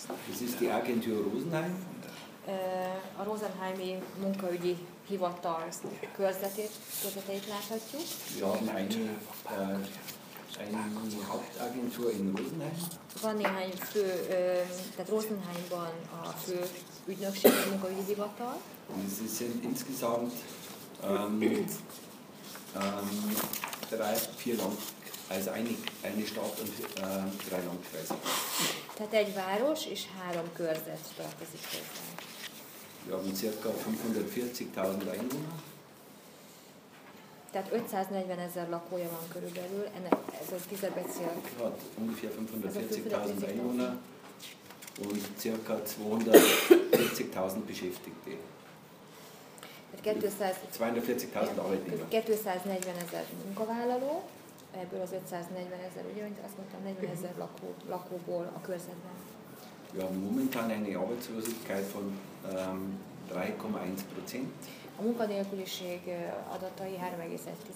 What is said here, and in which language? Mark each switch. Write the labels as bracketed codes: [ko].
[de] Das ist die Agentur Rosenheim. [hu] A Rosenheimi munkaügyi hivatal körzeteit láthatjuk. [de] Wir haben eine Hauptagentur in Rosenheim. [hu] Van néhány fő, tehát Rosenheimban a fő ügynökség, a munkaügyi hivatal. [de] Es sind insgesamt 3-4 Landkreise, also eine Stadt und 3 Landkreise. [hu] Tehát egy város és 3 körzet tartozik hozzá. [de] Wir haben ca. 540.000 Einwohner. [hu] Tehát 540 ezer lakója van körülbelül, ennek ez a tizedbecél. [de] Hát, ungefähr 540.000 Einwohner und ca. 240.000 Beschäftigte. 240.000 Arbeitnehmer. [hu] 240 ezer munkavállaló, ebből az 540 ezer, ugye, mint azt mondtam, 40 ezer lakóból a körzetben. [de] Wir haben momentan eine Arbeitslosigkeit von 3,1%. [hu] A munkanélküliség adatai 3,1%.